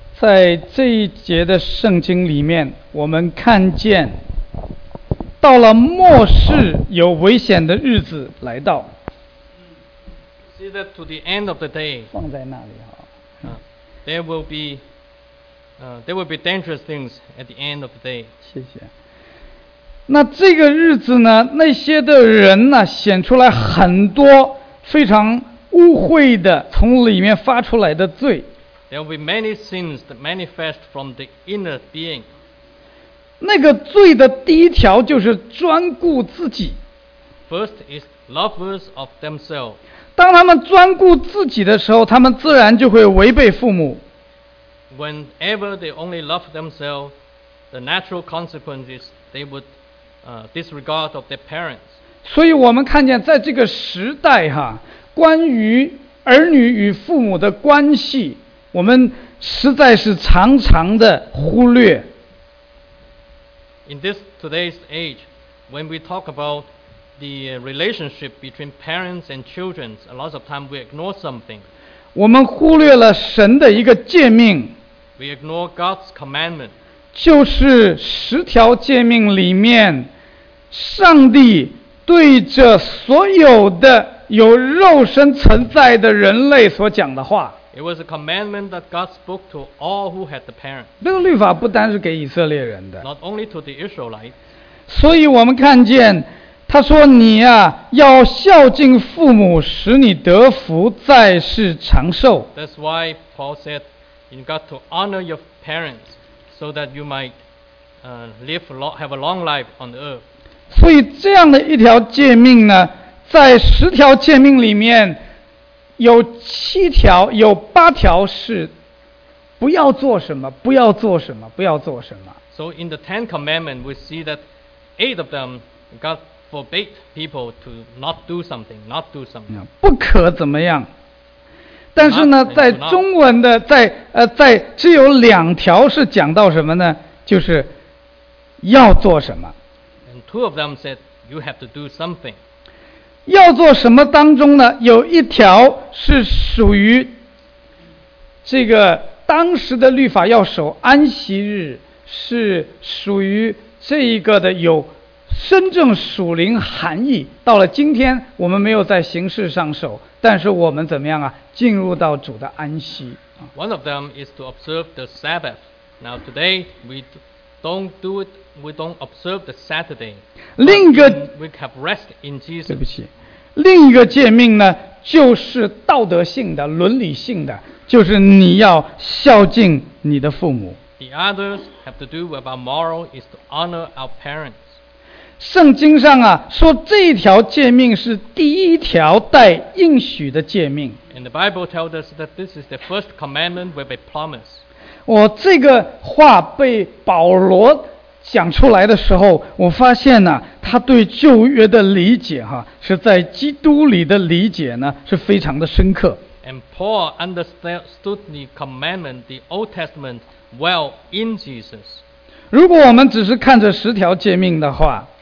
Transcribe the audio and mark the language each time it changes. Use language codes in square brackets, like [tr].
[zh] 在这一节的圣经里面，我们看见到了末世有危险的日子来到。 [en] See that to the end of the day. [zh] 放在那里哈。 [en] There will be dangerous things at the end of the day. [zh] 谢谢。那这个日子呢，那些的人呢，显出来很多非常污秽的从里面发出来的罪。 [en] There will be many sins that manifest from the inner being. [zh] 那个罪的第一条就是专顾自己。 [en] First is lovers of themselves. [zh] 当他们专顾自己的时候，他们自然就会违背父母。 [en] Whenever they only love themselves, the natural consequence is they wouldDisregard of their parents. [zh] 所以我们看见在这个时代哈，关于儿女与父母的关系，我们实在是常常的忽略。 [en] In this today's age, when we talk about the relationship between parents and children, a lot of time we ignore something. [zh] 我们忽略了神的一个诫命。 [en] We ignore God's commandment. [zh] 就是十条诫命里面上帝对着所有的有肉身存在的人类所讲的话。 [en] It was a commandment that God spoke to all who had the parents. [zh] 这个律法不单是给以色列人的。 [en] Not only to the Israelites. [zh] 所以我们看见他说你啊，要孝敬父母，使你得福，在世长寿。 [en] That's why Paul said, you got to honor your parents so that you might live long, have a long life on the earth. [zh] 所以这样的一条诫命呢，在十条诫命里面，有七条，有八条是不要做什么，不要做什么，不要做什么。 [en] So in the Ten Commandments, we see that eight of them got forbade people to not do something, not do something. [zh] 不可怎么样？但是呢，在中文的在只有两条是讲到什么呢？就是要做什么。 [en] And two of them said you have to do something. [zh] 要做什么当中呢？有一条是属于这个当时的律法要守安息日，是属于这一个的有。真正属灵含义，到了今天，我们没有在形式上守，但是我们怎么样啊？进入到主的安息。 [en] One of them is to observe the Sabbath. Now today we don't do it. We don't observe the Saturday. [zh] 另一个 [en] ，We have rest in Jesus. [zh] 对不起，另一个诫命呢，就是道德性的、伦理性的，就是你要孝敬你的父母。 [en] The others have to do with our moral is to honor our parents. [zh] 圣经上啊，说这一条诫命是第一条带应许的诫命。 [en] And the Bible tells us that this is the first commandment with a promise. [zh] 我这个话被保罗讲出来的时候，我发现呢，他对旧约的理解哈，是在基督里的理解呢，是非常的深刻。 [en] And Paul understood the commandment, the Old Testament, well in Jesus. [zh] 如果我们只是看着十条诫命的话，